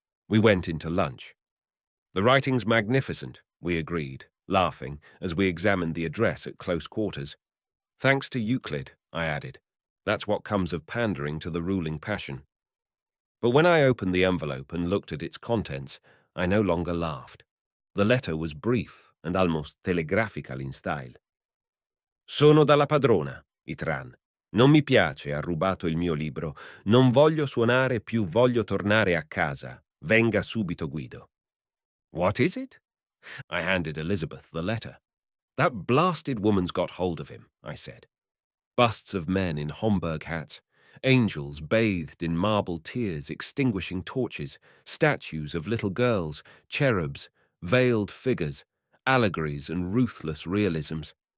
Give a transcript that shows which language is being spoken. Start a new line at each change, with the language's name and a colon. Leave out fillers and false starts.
English: We went into lunch. "The writing's magnificent," we agreed, laughing, as we examined the address at close quarters. "Thanks to Euclid," I added. "That's what comes of pandering to the ruling passion." But when I opened the envelope and looked at its contents, I no longer laughed. The letter was brief and almost telegraphical in style.
Italian: "Sono dalla padrona,"
English: it ran.
Italian: "Non mi piace, ha rubato il mio libro. Non voglio suonare, più voglio tornare a casa. Venga subito Guido."
English: "What is it?" I handed Elizabeth the letter. "That blasted woman's got hold of him," I said. Busts of men in Homburg hats, angels bathed in marble tears extinguishing torches, statues of little girls, cherubs, veiled figures, allegories and ruthless realisms.